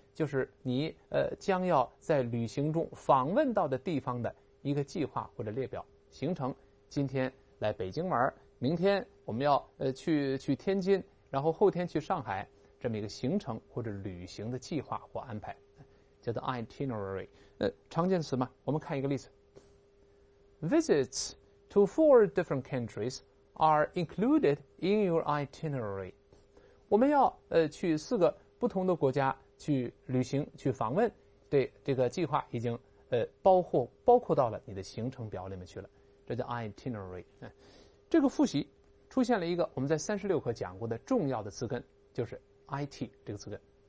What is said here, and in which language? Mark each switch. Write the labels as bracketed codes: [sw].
[zh] 就是你将要在旅行中访问到的地方的一个计划或者列表行程。今天来北京玩，明天我们要去天津，然后后天去上海，这么一个行程或者旅行的计划或安排，叫做 itinerary。常见词嘛，我们看一个例子。 [en] Visits to 4 different countries are included in your itinerary。 [zh] 我们要去四个不同的国家去旅行去访问，对，这个计划已经包括到了你的行程表里面去了，这叫 itinerary。这个复习出现了一个我们在36课讲过的重要的词根，就是 IT 这个词根。